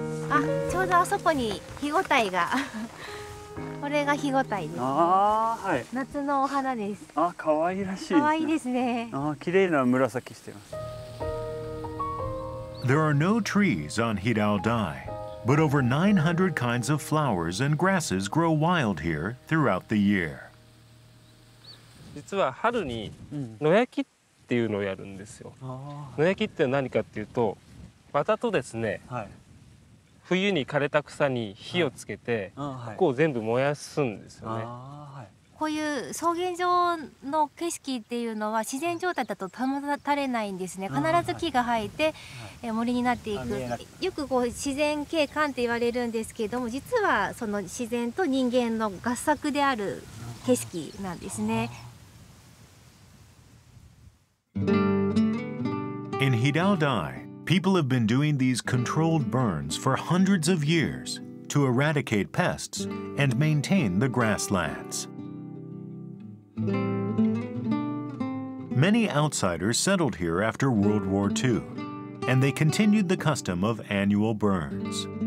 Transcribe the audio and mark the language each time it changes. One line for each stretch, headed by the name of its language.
Japanese: あ、ちょうどあそこに日ごたえが、これが日ごたえです。あ、はい、夏のお花です。あ、かわいらしい。かわいいですね。あ、きれいな紫してます。
English: There are no trees on Hidao Dai, but over 900 kinds of flowers and grasses grow wild here throughout the year.
Japanese: 実は春に野焼きっていうのをやるんですよ。野焼きって何かっていうと、綿とですね、はい、冬に枯れた草に火をつけて、はい、ここを全部燃やすんですよね。あ、はい、こういう草原上の景色っていうのは自然状態だと保たれないんですね。必ず木が生えて、はい、森になっていく、はい、よくこう自然景観って言われるんですけども、実はその自然と人間の合作である景色なんですね。
English: In Hidao Dai,People have been doing these controlled burns for hundreds of years to eradicate pests and maintain the grasslands. Many outsiders settled here after World War II, and they continued the custom of annual burns.